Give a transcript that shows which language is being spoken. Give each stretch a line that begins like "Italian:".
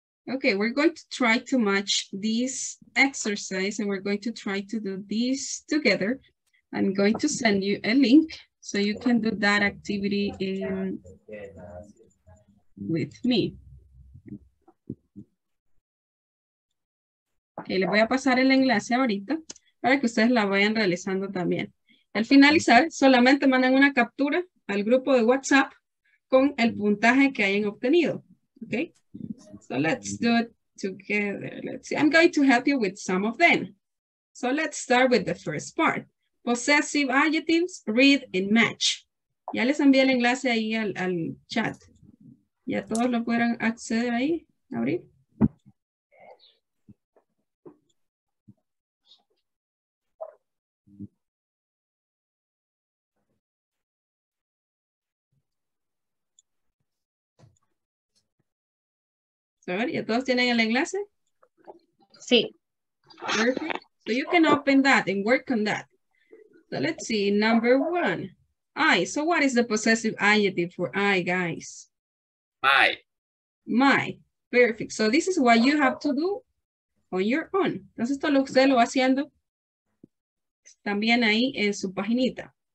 English: Okay, we're going to try to match this exercise and we're going to try to do this together. I'm going to send you a link so you can do that activity in with me.
Spanish: Okay, le voy a pasar el enlace ahorita para que ustedes la vayan realizando también. Al finalizar, solamente mandan una captura al grupo de WhatsApp con el puntaje que hayan obtenido.
English: Okay, so let's do it together. Let's see, I'm going to help you with some of them. So let's start with the first part. Possessive adjectives, read and match.
Spanish: Ya les envié el enlace ahí al chat. ¿Ya todos lo pudieron acceder ahí, Gabriel? So, ¿y todos tienen el enlace? Sí.
English: Perfect. So you can open that and work on that. So let's see, number one. I, so what is the possessive adjective for I, guys? My. My, perfect. So this is what you have to do on your own.
Spanish: Entonces esto lo usted lo va haciendo también ahí en su paginita.